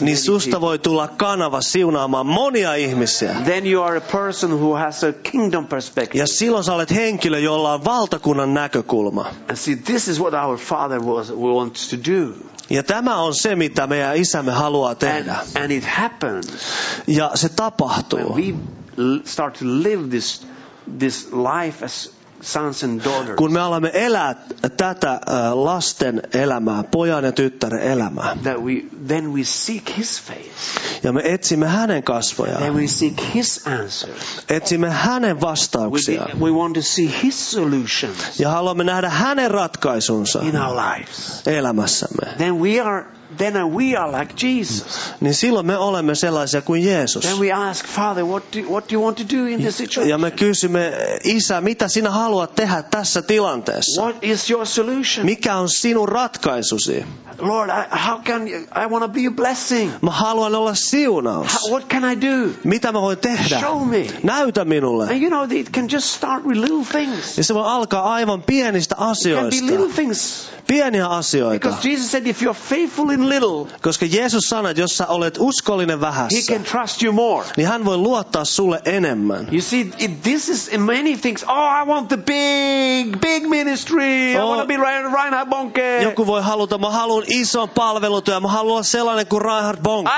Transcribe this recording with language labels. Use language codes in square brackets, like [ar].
[fi] niin [en] many [fi] susta [en] people. [fi] Voi tulla kanava siunaamaan monia ihmisiä. [en] Then you are a person who has a kingdom perspective. [fi] Ja silloin sä olet henkilö, jolla on valtakunnan näkökulma. [en] And see, this is what our Father wants to do. [fi] Ja tämä on se, mitä meidän isämme haluaa tehdä. [en] And it happens. [fi] Ja se tapahtuu. [en] When we start to live this life as sons and daughters. [fi] Kun me alamme elää tätä lasten elämää, pojan ja tyttären elämää. [en] That we, then we seek his face. [fi] Ja me etsimme hänen kasvojaan. [en] Then we seek his answers. [fi] Etsimme hänen vastauksiaan. [en] We want to see his solutions. [fi] Ja haluamme nähdä hänen ratkaisunsa [en] in our lives. [fi] Elämässämme. [en] Then we are like Jesus. [fi] Niin silloin me olemme sellaisia kuin Jeesus. [en] Then we ask Father what do you want to do in this situation? [fi] Ja me kysymme Isä, mitä sinä haluat tehdä tässä tilanteessa? [en] What is your solution? [fi] Mikä on sinun ratkaisusi? [en] Lord, I want to be a blessing. [fi] Mä haluan olla siunaus. [en] What can I do? [fi] Mitä mä voin tehdä? [en] Show me. [fi] Näytä minulle. [en] And you know it can just start with little things. [fi] Ja se voi alkaa aivan pienistä asioista. [en] It can be little things. [fi] Pieniä asioita. [en] Because Jesus said if you're faithful in little. [fi] Koska Jeesus sanoi, että jos sä olet uskollinen vähässä. [en] He can trust you more. [fi] Niin hän voi luottaa sulle enemmän. [en] You see, this is in many things. Oh, I want the big ministry. Oh, I want to be Reinhard Bonnke. [fi] Joku voi haluta, mä haluan ison palvelutyön. Mä haluan sellainen kuin Reinhard Bonnke.